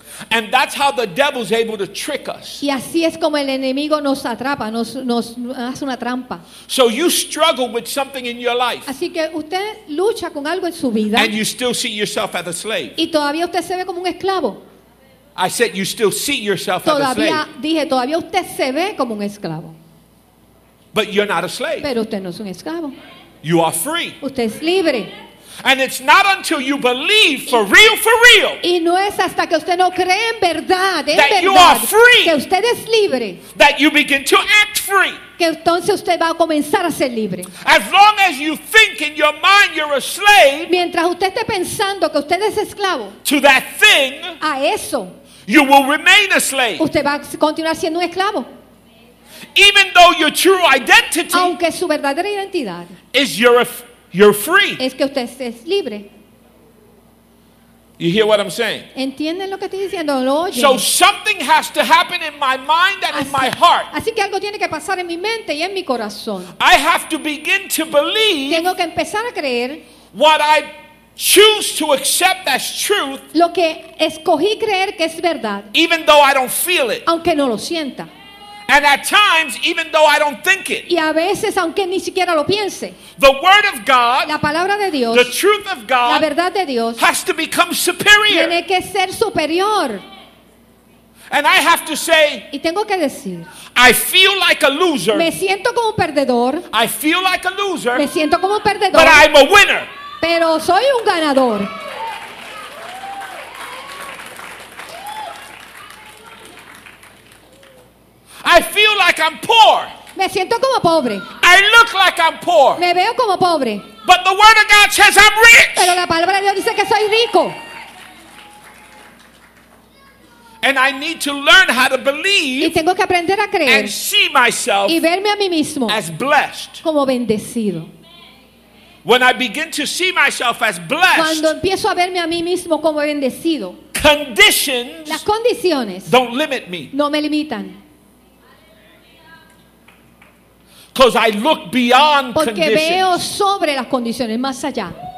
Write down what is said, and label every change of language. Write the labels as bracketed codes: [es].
[en] and that's how the devil's able to trick us [es] y así es como el enemigo nos atrapa nos hace una trampa [en] so you struggle with something in your life [es] así que usted lucha con algo en su vida [en] and you still see yourself as a slave [es] y todavía usted se ve como un esclavo [en] I said you still see yourself [es] todavía, [en] as a slave [es] dije todavía usted se ve como un esclavo [en] But you're not a slave. [es] Pero usted no es un esclavo. [en] You are free. [es] Usted es libre. [en] And it's not until you believe for real, [es] y no es hasta que usted no cree en verdad, verdad, [en] you are free, [es] que usted es libre, [en] that you begin to act free. [es] Que entonces usted va a comenzar a ser libre. [en] As long as you think in your mind you're a slave, [es] mientras usted esté pensando que usted es esclavo, [en] to that thing, [es] a eso, [en] you will remain a slave. [es] Usted va a continuar siendo un esclavo. [en] Even though your true identity [es] Aunque su verdadera identidad [en] is you're free. [es] Es que usted es libre. [en] You hear what I'm saying? [es] ¿Entienden lo que estoy diciendo? ¿Lo oyen? [en] So something has to happen in my mind and in my heart. [es] Así que algo tiene que pasar en mi mente y en mi corazón. [en] I have to begin to believe [es] Tengo que empezar a creer [en] what I choose to accept as truth [es] lo que escogí creer que es verdad [en] even though I don't feel it. [es] Aunque no lo sienta. [en] And at times, even though I don't think it, [es] y a veces, aunque ni siquiera lo piense, [en] the word of God, [es] la palabra de Dios, [en] the truth of God, [es] la verdad de Dios, [en] has to become superior. [es] Tiene que ser superior. [en] And I have to say, [es] y tengo que decir, [en] I feel like a loser. [es] Me siento como un perdedor. [en] I feel like a loser. [es] Me siento como un perdedor. [en] But I'm a winner. [es] Pero soy un ganador. [en] I feel like I'm poor. [es] Me siento como pobre. [en] I look like I'm poor. [es] Me veo como pobre. [en] But the word of God says I'm rich. [es] Pero la palabra de Dios dice que soy rico. [en] And I need to learn how to believe. [es] Y tengo que aprender a creer. [en] And see myself. [es] Y verme a mí mismo. [en] As blessed. [es] Como bendecido. [en] When I begin to see myself as blessed. [es] Cuando empiezo a verme a mí mismo como bendecido. [en] Conditions. [es] Las condiciones. [en] Don't limit me. [es] No me limitan. [en] Because I look beyond [es] Porque [en] conditions. [es] Veo sobre las condiciones, más allá.